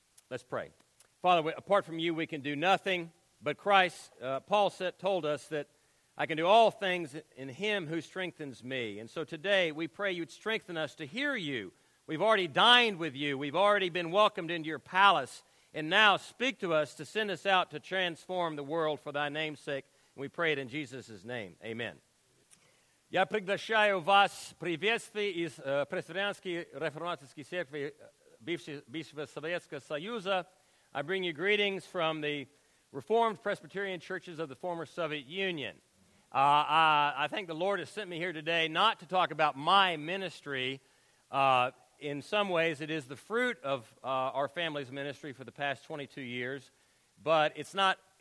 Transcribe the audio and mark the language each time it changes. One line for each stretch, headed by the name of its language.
English: Let's pray. Father, apart from you, we can do nothing. But Christ, Paul said, told us that I can do all things in him who strengthens me. And so today, we pray you'd strengthen us to hear you. We've already dined with you. We've already been welcomed into your palace. And now speak to us to send us out to transform the world for thy name's sake. And we pray it in Jesus' name. Amen.
Russian: Я приглашаю вас приветствовать из Пресвитерианской реформатской церкви бывшего Советского Союза.
English: I bring you greetings from the Reformed Presbyterian Churches of the former Soviet Union. I thank the Lord has sent me here today not to talk about my ministry. In some ways, it is the fruit of our family's ministry for the past 22 years, but it's not.